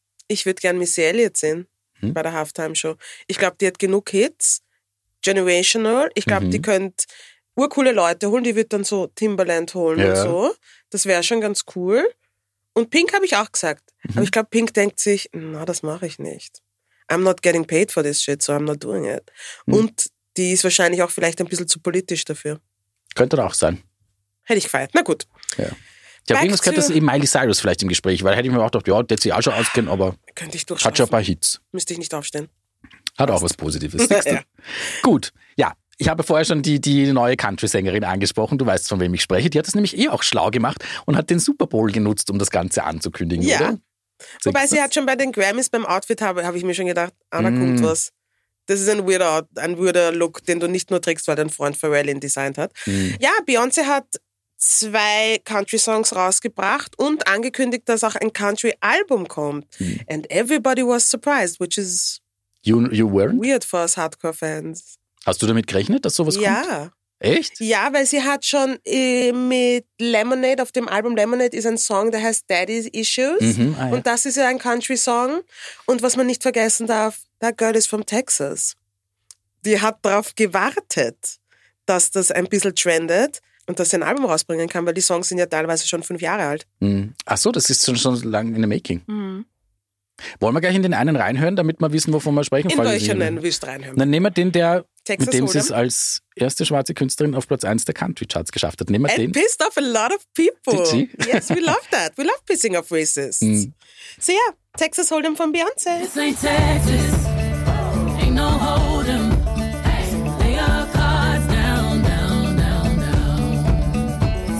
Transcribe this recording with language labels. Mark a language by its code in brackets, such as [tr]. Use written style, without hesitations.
[de] Ich würde gerne Missy Elliott sehen bei der Halftime-Show. Ich glaube, die hat genug Hits. Generational. Ich glaube, die könnte urcoole Leute holen. Die wird dann so Timbaland holen und so. Das wäre schon ganz cool. Und Pink habe ich auch gesagt. Aber ich glaube, Pink denkt sich, na, das mache ich nicht. [en] I'm not getting paid for this shit, so I'm not doing it. [de] Und die ist wahrscheinlich auch vielleicht ein bisschen zu politisch dafür. Könnte doch auch sein. Hätte ich gefeiert. Na gut. Ja. Ich habe irgendwas gehört, dass eben Miley Cyrus vielleicht im Gespräch war. Hätte ich mir auch gedacht, ja, der hat sich auch schon ausgehen, aber könnte ich durchschaffen. Hat schon ein paar Hits. Müsste ich nicht aufstehen. Hat auch was Positives. Gut, ja. Ich habe vorher schon die neue Country-Sängerin angesprochen, du weißt, von wem ich spreche. Die hat es nämlich eh auch schlau gemacht und hat den Super Bowl genutzt, um das Ganze anzukündigen, ja, oder? Wobei sie hat schon bei den Grammys beim Outfit, habe ich mir schon gedacht, ah, da kommt was. Das ist ein weirder Look, den du nicht nur trägst, weil dein Freund Pharrell ihn designt hat. Ja, Beyoncé hat zwei Country-Songs rausgebracht und angekündigt, dass auch ein Country-Album kommt. [en] And everybody was surprised, which is you weren't? Weird for us Hardcore-Fans. [de] Hast du damit gerechnet, dass sowas ja kommt? Ja. Echt? Ja, weil sie hat schon mit Lemonade, auf dem Album Lemonade ist ein Song, der heißt Daddy's Issues. Und das ist ja ein Country-Song. Und was man nicht vergessen darf, [en] that girl is from Texas. [de] Die hat darauf gewartet, dass das ein bisschen trendet und dass sie ein Album rausbringen kann, weil die Songs sind ja teilweise schon 5 Jahre alt. Mhm. Ach so, das ist schon so lange [en] in the making. Mhm. [de] Wollen wir gleich in den einen reinhören, damit wir wissen, wovon wir sprechen? In welchen nennen willst du reinhören? Dann nehmen wir den, der Texas, mit dem sie es als erste schwarze Künstlerin auf Platz 1 der Country-Charts geschafft hat. Nehmen wir den. [en] And pissed off a lot of people. Did she? Yes, we love that. We love pissing off racists. So yeah, Texas Hold'em von Beyoncé. This ain't Texas. Ain't no Hold'em. Hey, lay your cards down, down, down, down.